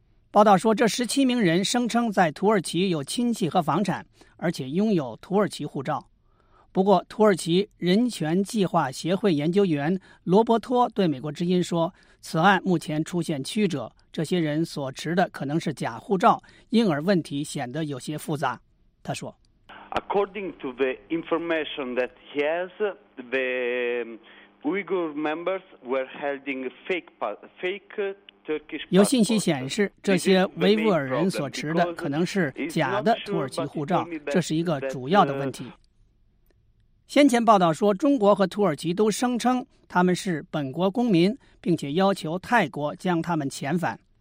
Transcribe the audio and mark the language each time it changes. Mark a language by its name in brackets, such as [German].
[Chinese] 报道说，这17名人声称在土耳其有亲戚和房产，而且拥有土耳其护照。不过，土耳其人权计划协会研究员罗伯托对美国之音说，此案目前出现曲折，这些人所持的可能是假护照，因而问题显得有些复杂。他说 [English] According to the information that he has, the Uyghur members were holding fake Turkish passport. [Chinese] 有信息显示，这些维吾尔人所持的可能是假的土耳其护照，这是一个主要的问题。先前报道说，中国和土耳其都声称他们是本国公民，并且要求泰国将他们遣返。